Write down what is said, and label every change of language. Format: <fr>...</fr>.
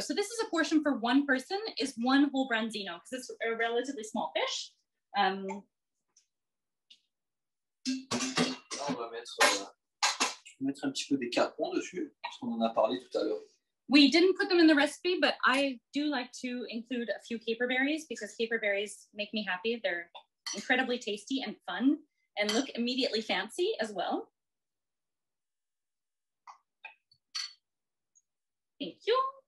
<en>So this is a portion for one person, is one whole branzino, because it's a relatively small fish.</en> <fr>Là, on va mettre un petit peu des capons dessus, parce qu'on en a parlé tout à l'heure.</fr> <en>We didn't put them in the recipe, but I do like to include a few caper berries because caper berries make me happy. They're incredibly tasty and fun and look immediately fancy as well. Thank you.</en>